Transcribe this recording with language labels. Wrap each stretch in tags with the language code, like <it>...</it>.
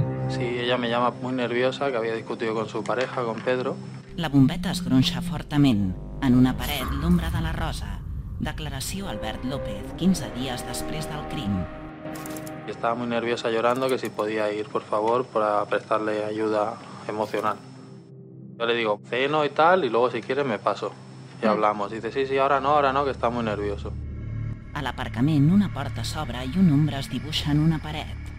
<es>Sí, ella me llama muy nerviosa, que había discutido con su pareja, con Pedro.</es> <ca>La bombeta es gronxa fortament. En una paret, l'ombra de la Rosa. Declaració Albert López, 15 dies després del crim.</ca> <es>Estaba muy nerviosa llorando, que si podía ir, por favor, para prestarle ayuda emocional. Yo le digo, ceno y tal, y luego si quieres me paso. Y hablamos. Y dice, sí, sí, ahora no, que está muy nervioso.</es> <ca>A l'aparcament, una porta s'obre i un ombra es dibuixa en una paret.</ca>